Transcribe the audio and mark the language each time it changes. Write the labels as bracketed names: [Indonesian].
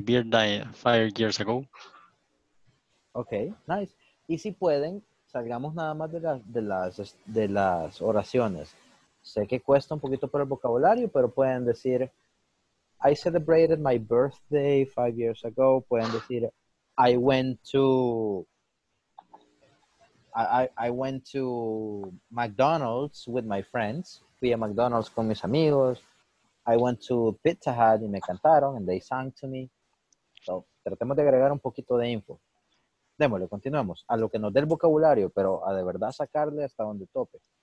[English] birthday 5 years ago. Okay, nice. [Spanish] Y si pueden, salgamos nada más de las oraciones. Sé que cuesta un poquito por el vocabulario, pero pueden decir, [English] I celebrated my birthday 5 years ago. [Spanish] Pueden decir, [English] I went to McDonald's with my friends. [Spanish] Fui a McDonald's con mis amigos. [English] I went to Pizza Hut [Spanish] y me cantaron [English] and they sang to me. [Spanish] So, tratemos de agregar un poquito de info. Démosle, continuemos. A lo que nos dé el vocabulario, pero a de verdad sacarle hasta donde tope.